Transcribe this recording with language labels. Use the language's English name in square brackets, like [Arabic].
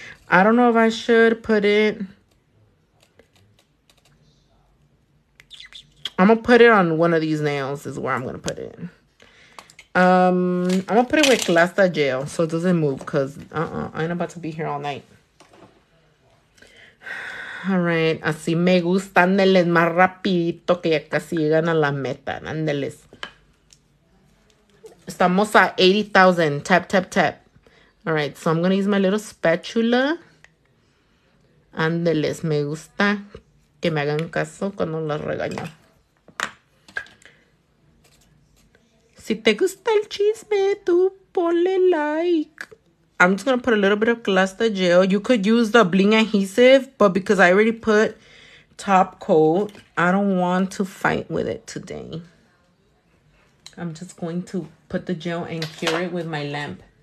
[English] I don't know if I should put it. I'm gonna put it on one of these nails, is where I'm gonna put it. I'm gonna put it with glasta gel so it doesn't move because I ain't about to be here all night. All right, [Spanish] así me gusta, ándeles más rapidito que ya casi llegan a la meta, ándeles. Estamos a 80,000, tap, tap, tap. [English] All right, so I'm going to use my little spatula. [Spanish] Ándeles, me gusta que me hagan caso cuando las regaño. Si te gusta el chisme, tú ponle like. [English] I'm just going to put a little bit of glasta gel. You could use the bling adhesive, but because I already put top coat, I don't want to fight with it today. I'm just going to put the gel and cure it with my lamp.